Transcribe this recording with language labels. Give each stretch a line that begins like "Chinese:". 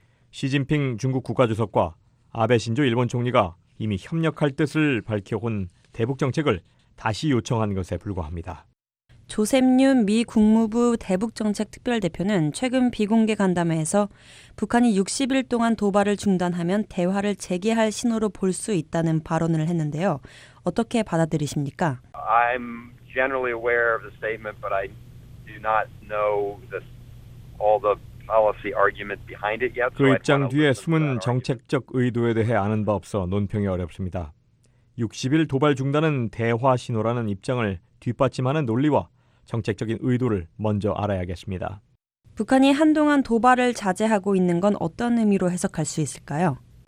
Korean: 시진핑 중국 국가주석과 아베 신조 일본 총리가 이미 협력할 뜻을 밝혀온 대북 정책을 다시 요청한 것에 불과합니다. 조셉윤 미 국무부 대북정책특별대표는 최근 비공개 간담회에서 북한이 60일 동안 도발을 중단하면 대화를 재개할 신호로 볼 수 있다는 발언을 했는데요. 어떻게 받아들이십니까?
English: I'm generally aware of the statement, but I do not know all the policy argument behind it yet.
Korean: 그 입장 뒤에 숨은 정책적 의도에 대해 아는 바 없어 논평이 어렵습니다. 60일 도발 중단은 대화 신호라는 입장을 뒷받침하는 논리와 정책적인 의도를 먼저 알아야겠습니다. 북한이 한동안 도발을 자제하고 있는 건 어떤 의미로 해석할 수 있을까요?